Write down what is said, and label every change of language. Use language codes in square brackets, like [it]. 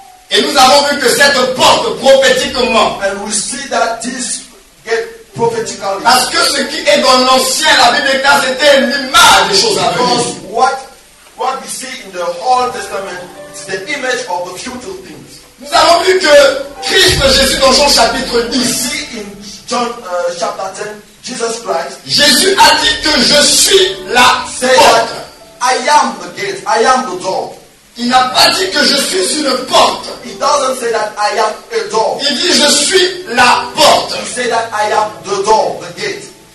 [fr] Et nous avons vu que cette porte prophétiquement. [en] And we see that this gate prophetically. [fr] Parce que ce qui est dans l'ancien, la Bible déclare, c'était l'image des choses à venir. [en] What we see in the Old Testament is the image of the future things. [fr] Nous avons vu que Christ Jésus dans Jean chapitre 10. [en] We see in John chapter 10, Jesus Christ. [fr] Jésus a dit que je suis la porte. [en] I am the gate, I am the door. [fr] Il n'a pas dit que je suis une porte. [en] He doesn't say that I am a door. [fr] Il dit je suis la porte. [en] He said that I am the door, the gate.